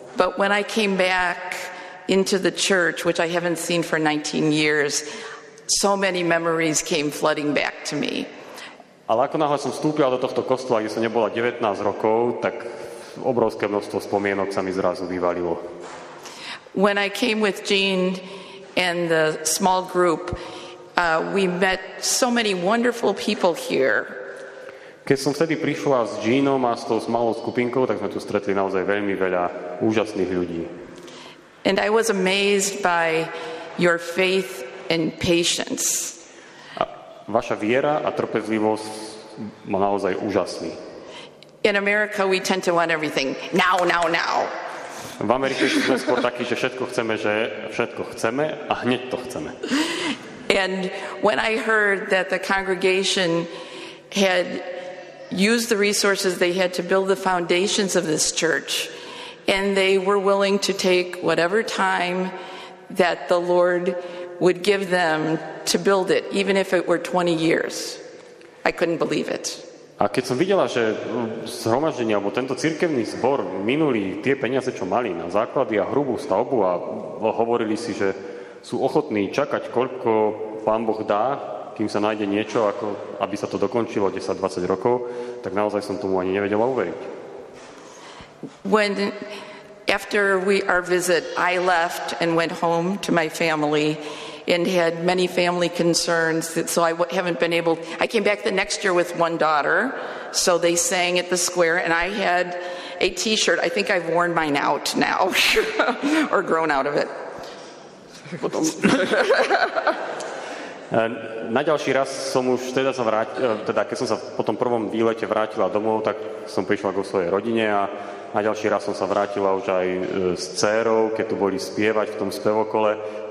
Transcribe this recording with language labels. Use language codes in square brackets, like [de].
[en] But when I came back into the church, which I haven't seen for 19 years, so many memories came flooding back to me. [sk] Ale ako náhle som vstúpila do tohto kostola, kde som nebola 19 rokov, tak obrovské množstvo spomienok sa mi zrazu vyvalilo. [en] When I came with Jean and the small group, we met so many wonderful people here. [sk] Keď som vtedy prišla s Jeanom a s tou malou skupinkou, tak sme tu stretli naozaj veľmi veľa úžasných ľudí. [en] And I was amazed by your faith and patience. [sk] A vaša viera a trpezlivosť ma naozaj úžasný. [en] In America we tend to want everything now, now, now. [sk] V Amerike sme skôr takí, že všetko chceme a hneď to chceme. [en] And when I heard that the congregation had used the resources they had to build the foundations of this church, and they were willing to take whatever time that the Lord would give them to build it, even if it were 20 years. I couldn't believe it. [sk] A keď som videla, že zhromaždenie alebo tento cirkevný zbor minuli tie peniaze, čo mali na základy a hrubú stavbu, a hovorili si, že sú ochotní čakať, koľko Pán Boh dá, kým sa nájde niečo, ako aby sa to dokončilo 10-20 rokov, tak naozaj som tomu ani nevedela uveriť. [en] When after our visit, I left and went home to my family and had many family concerns, so I haven't been able. I came back the next year with one daughter, so they sang at the square, and I had a t-shirt. I think I've worn mine out now or grown out of it. [sk] Na ďalší raz som už keď som sa po tom prvom výlete vrátila domov, tak som prišla k svojej rodine, a na ďalší raz som sa vrátila už aj s dcérou, keď tu boli spievať v tom spevokole.